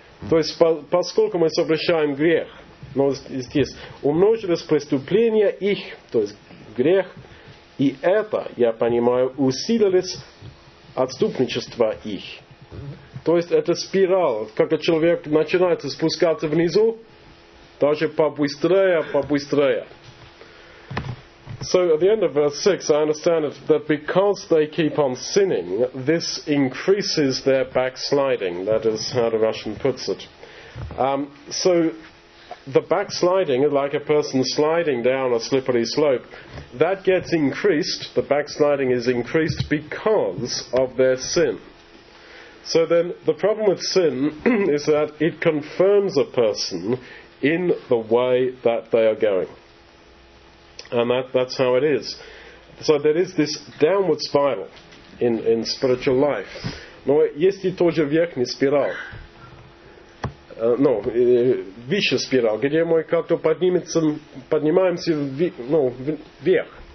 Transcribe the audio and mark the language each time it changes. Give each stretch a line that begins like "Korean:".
Russian: То есть, поскольку мы совершаем грех, здесь умножились преступления их, то есть грех, и это, я понимаю, усилились отступничество их. То есть, это спирал, когда человек начинает спускаться внизу, даже побыстрее.
English: So at the end of verse 6, I understand that because they keep on sinning, this increases their backsliding. That is how the Russian puts it. So the backsliding, like a person sliding down a slippery slope, that gets increased, the backsliding is increased because of their sin. So then the problem with sin is that it confirms a person in the way that they are going. And that's how it is. So there is this downward spiral in spiritual life.
Russian: Но есть и тоже верхняя спираль. Высшая спираль, где мы как-то поднимаемся вверх.